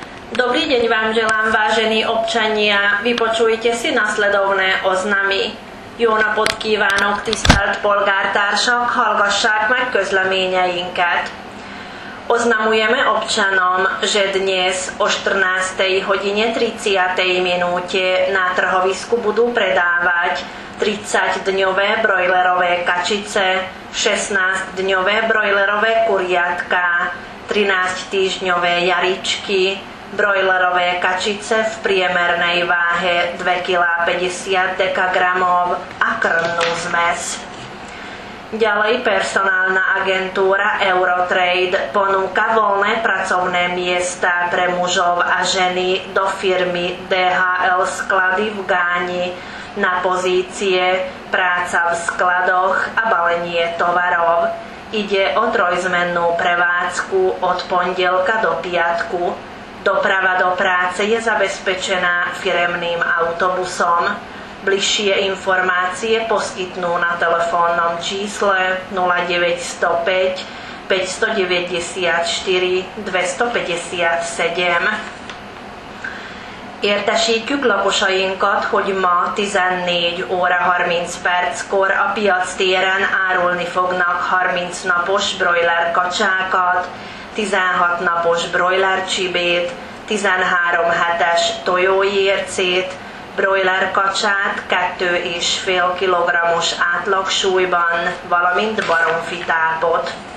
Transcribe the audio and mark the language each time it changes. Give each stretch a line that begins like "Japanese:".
Slovak: Dobrý deň vám želám, vážení občania. Vypočujte si nasledovné oznamy.
Hungarian: Jó napot kívánok, tisztelt polgártársak, hallgassák meg közleményeinket.
Slovak: Oznamujeme občanom, že dnes o 14. hodine 30. minúte na trhovisku budú predávať 30-dňové brojlerové kačice, 16-dňové brojlerové kuriatka, 13-týždňové jaričky, brojlerové kačice v priemernej váhe 2,50 dekagramov a krmnú zmes. Ďalej personálna agentúra Eurotrade ponúka voľné pracovné miesta pre mužov a ženy do firmy DHL Sklady v Gáni na pozície práca v skladoch a balenie tovarov. Ide o trojzmennú prevádzku od pondelka do piatku. Doprava do práce je zabezpečená firemným autobusom. Bližšie informácie poskytnú na telefónnom čísle 0905 594 257.
Hungarian: Értesítjük lakosainkat, hogy ma 14 óra 30 perckor a piac téren árulni fognak 30 napos broiler kacsákat, 16 napos broiler csibét, 13 hetes tojójércét, broiler kacsát 2,5 kg-os átlagsúlyban, valamint baromfi tápot.